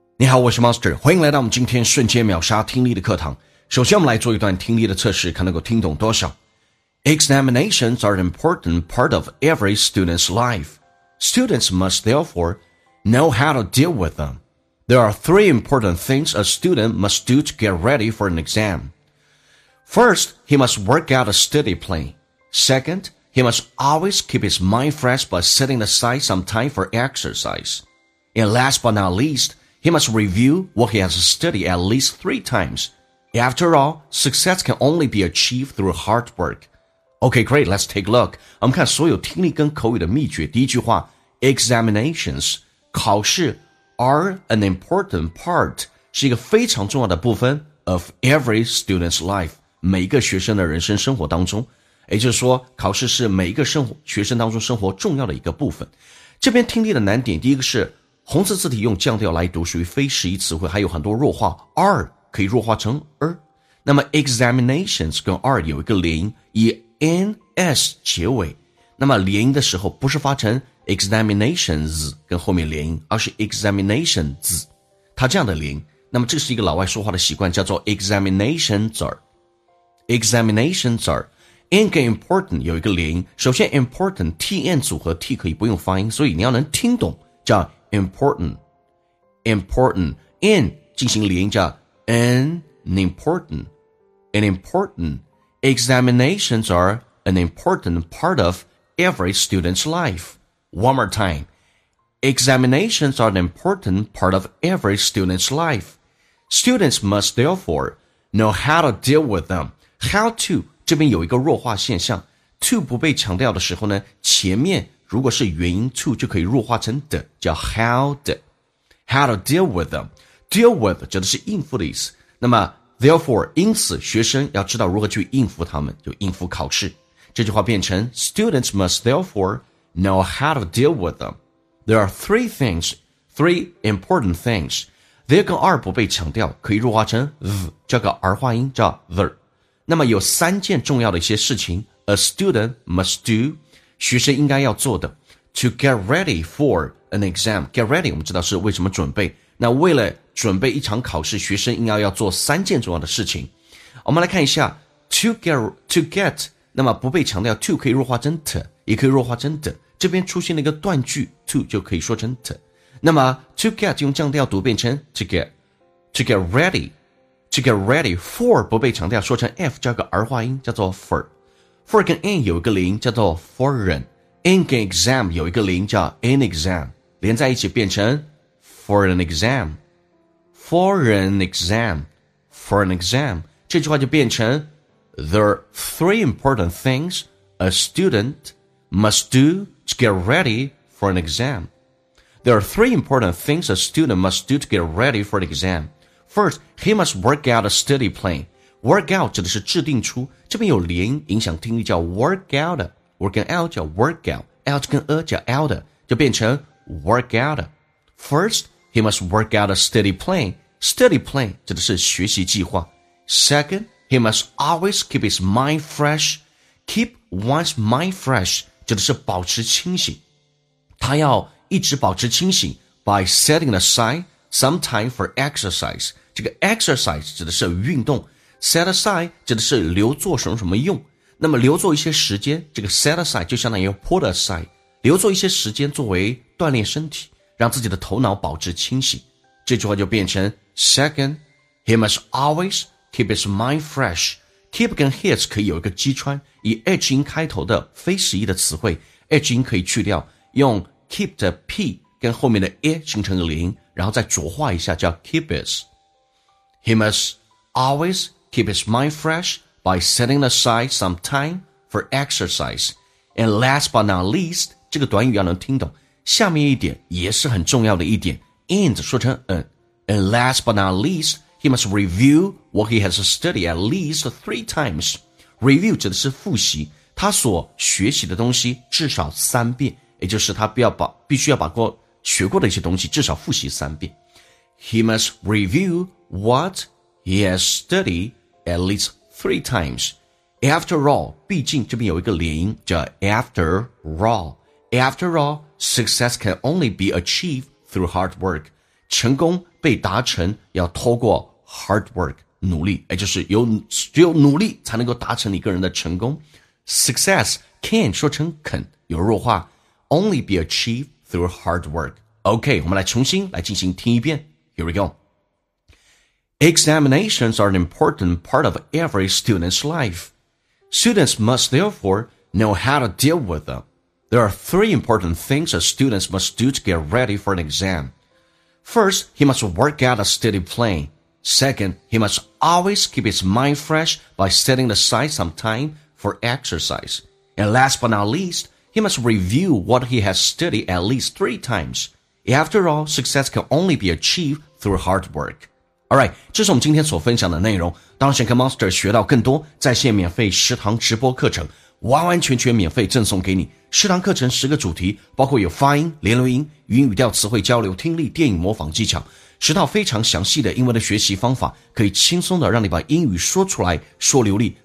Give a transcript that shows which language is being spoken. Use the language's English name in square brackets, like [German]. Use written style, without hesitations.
[Chinese] 你好，我是 Master， 欢迎来到我们今天瞬间秒杀听力的课堂。首先我们来做一段听力的测试，看能够听懂多少。 [English] Examinations are an important part of every student's life. Students must therefore know how to deal with them. There are three important things a student must do to get ready for an exam. First, he must work out a study plan. Second, he must always keep his mind fresh by setting aside some time for exercise. And last but not least,He must review what he has studied at least three times. After all, success can only be achieved through hard work. Okay, great, let's take a look. [Chinese] 我们看所有听力跟口语的秘诀。第一句话 examinations, 考试 [English] are an important part, [Chinese] 是一个非常重要的部分 [English] of every student's life, [Chinese] 每一个学生的人生生活当中。也就是说考试是每一个学生当中生活重要的一个部分。这边听力的难点第一个是红色字体用降调来读属于非实义词汇，还有很多弱化 R 可以弱化成 R。那么 examinations 跟 R 有一个连音，以 NS 结尾，那么连音的时候不是发成 examinations 跟后面连音，而是 examinations， 它这样的连音。那么这是一个老外说话的习惯，叫做 examinations R examinations R。 N 跟 important 有一个连音，首先 important TN 组合 T 可以不用发音，所以你要能听懂叫important in 进行连音叫 [English] an important examinations are an important part of every student's life. One more time, examinations are an important part of every student's life. Students must therefore know how to deal with them. [Chinese] How to 这边有一个弱化现象， to 不被强调的时候呢，前面如果是元音 to 就可以弱化成的，叫 [English] how to deal with them. [Chinese] Deal with 指的是应付的意思，那么 therefore 因此学生要知道如何去应付他们，就应付考试。这句话变成 [English] students must therefore know how to deal with them. There are three important things. [Chinese] There 跟 are 不被强调，可以弱化成 th 这个儿化音叫 the。那么有三件重要的一些事情 [English] a student must do， [Chinese] 学生应该要做的 [English] to get ready for an exam. [Chinese] Get ready 我们知道是为什么准备，那为了准备一场考试，学生应该要做三件重要的事情。我们来看一下 to get 那么不被强调 to 可以弱化成 t 也可以弱化成 t， 这边出现了一个断句 to 就可以说成 t， 那么 to get 用降调读变成 to get ready for 不被强调说成 f 加个儿化音叫做 for 跟 an 有一个连音叫做 foreign， an 跟 exam 有一个连音叫 an exam， 连在一起变成 foreign exam， 这句话就变成 [English] there are three important things a student must do to get ready for an exam. There are three important things a student must do to get ready for an exam. First, he must work out a study plan. [Chinese] Work out 指的是制定出，这边有连影响听力叫 work out， work out 叫 work out， out 跟 a 叫 out， 就变成 work out。 [English] First, he must work out a study plan. [Chinese] Study plan 指的是学习计划。 [English] Second, he must always keep his mind fresh. Keep one's mind fresh [Chinese] 指的是保持清醒，他要一直保持清醒 [English] by setting aside some time for exercise. [Chinese] 这个 exercise 指的是运动，set aside 指的是留作什么什么用，那么留作一些时间，这个 set aside 就相当于 put aside， 留作一些时间作为锻炼身体，让自己的头脑保持清醒。这句话就变成 [English] second he must always keep his mind fresh. [Chinese] Keep 跟 his 可以有一个击穿，以 h 音开头的非实义的词汇 h 音可以去掉，用 keep 的 p 跟后面的 a 形成个连音，然后再浊化一下叫 keep his。 [English] He must alwaysKeep his mind fresh by setting aside some time for exercise. And last but not least, [Chinese] 这个短语要能听懂。下面一点也是很重要的一点， and 说成 an. [English] And last but not least, he must review what he has studied at least three times. [Chinese] Review 指的是复习，他所学习的东西至少三遍，也就是他必须要把学过的一些东西至少复习三遍。 [English] He must review what he has studiedAt least three times. After all, [Chinese] 毕竟这边有一个连音叫 [English] after all, success can only be achieved through hard work. [Chinese] 成功被达成要透过 [English] hard work, [Chinese] 努力，也就是有只有努力才能够达成你个人的成功。 [English] Success can [Chinese] 说成肯，有弱化 [English] only be achieved through hard work. [Chinese] OK, 我们来重新来进行听一遍。 [English] Here we go. Examinations are an important part of every student's life. Students must therefore know how to deal with them. There are three important things that students must do to get ready for an exam. First, he must work out a steady plan. Second, he must always keep his mind fresh by setting aside some time for exercise. And last but not least, he must review what he has studied at least three times. After all, success can only be achieved through hard work. [Chinese] Alright, 这是我们今天所分享的内容。当选课 Monster 学到更多在线免费食堂直播课程，完完全全免费赠送给你。食堂课程十个主题，包括有发音、连读音、语音语调、词汇交流、听力、电影模仿技巧，十套非常详细的英文的学习方法，可以轻松的让你把英语说出来、说流利。